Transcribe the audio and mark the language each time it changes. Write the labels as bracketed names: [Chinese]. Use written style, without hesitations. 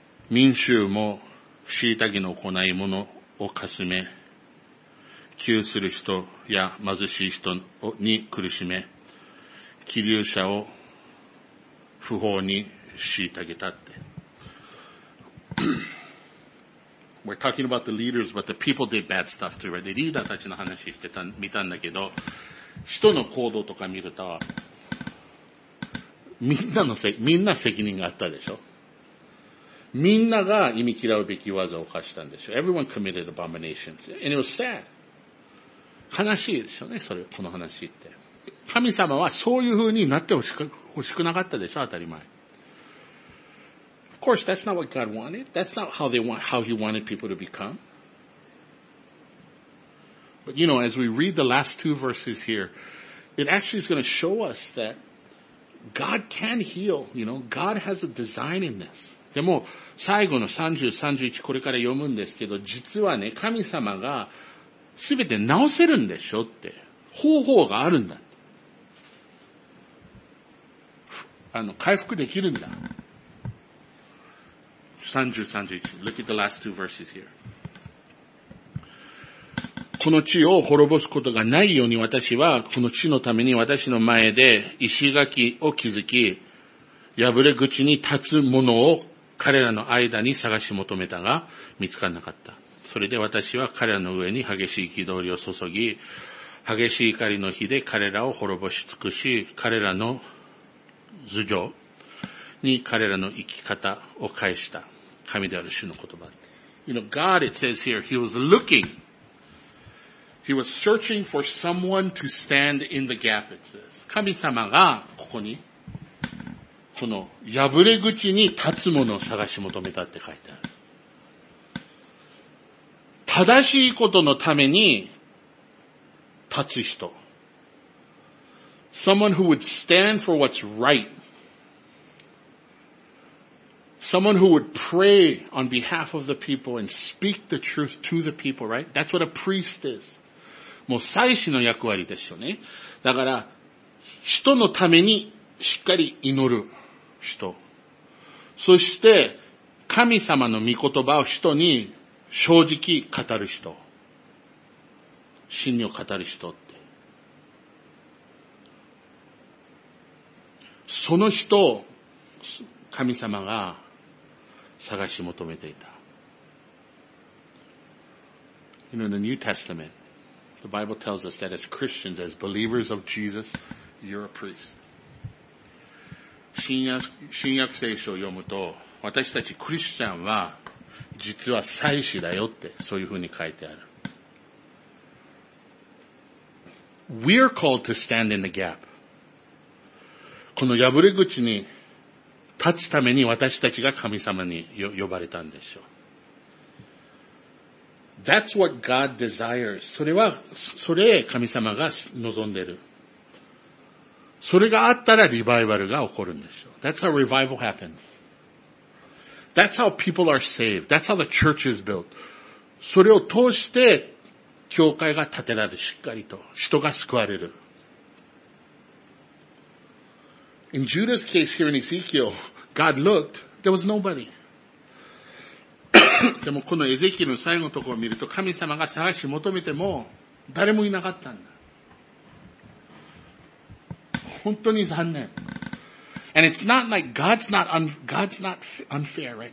[Japanese] 民衆も、しいたけの行い物をかすめ、窮する人や貧しい人に苦しめ、寄留者を不法に虐げたって。 [English] We're talking about the leaders, but the people did bad stuff too, right? [Japanese] リーダーたちの話してた、見たんだけど、人の行動とか見ると、みんな責任があったでしょ？みんなが忌み嫌うべき技を犯したんでしょ ? [English] Everyone committed abominations. And it was sad. [Japanese] 悲しいでしょね、それ、この話って。神様はそういう風になってほしくなかったでしょ当たり前。 [English] Of course, that's not what God wanted. That's not how he wanted people to become. But you know, as we read the last two verses here, it actually is going to show us that God can heal. You know, God has a design in this. [Japanese] でも最後の30、31これから読むんですけど、実はね、神様がすべて治せるんでしょって方法があるんだ。回復できるんだ。 [English] 30、31。 Look at the last two verses here。 [Japanese] この地を滅ぼすことがないように私はこの地のために私の前で石垣を築き、破れ口に立つものを彼らの間に探し求めたが、見つからなかった。それで私は彼らの上に激しい憤りを注ぎ、激しい怒りの火で彼らを滅ぼし尽くし、彼らの頭上に彼らの生き方を返した。神である主の言葉。 [English] You know, God, it says here, he was looking. He was searching for someone to stand in the gap, it says. [Japanese] 神様がここに、この破れ口に立つものを探し求めたって書いてある。正しいことのために立つ人。 [English] Someone who would stand for what's right. Someone who would pray on behalf of the people and speak the truth to the people, right? That's what a priest is. [Japanese] もう祭司の役割でしょうね。だから、人のためにしっかり祈る。人。そして、神様の御言葉を人に正直語る人。真理を語る人って。その人を神様が探し求めていた。 [English] In the New Testament, the Bible tells us that as Christians, as believers of Jesus, you're a priest. [Japanese] 新約聖書を読むと、私たちクリスチャンは、実は祭司だよって、そういう風に書いてある。 [English] We are called to stand in the gap. [Japanese] この破れ口に立つために私たちが神様に呼ばれたんでしょう。 [English] That's what God desires. [Japanese] それ神様が望んでる。それがあったらリバイバルが起こるんでしょう。 [English] That's how revival happens. That's how people are saved. That's how the church is built. [Japanese] それを通して教会が建てられる、しっかりと。人が救われる。 [English] In Judah's case here in Ezekiel, God looked, there was nobody. [Japanese] でもこのエゼキエルの最後のところを見ると神様が探し求めても誰もいなかったんだ。本当に残念。 [English] And it's not like God's not unfair, right?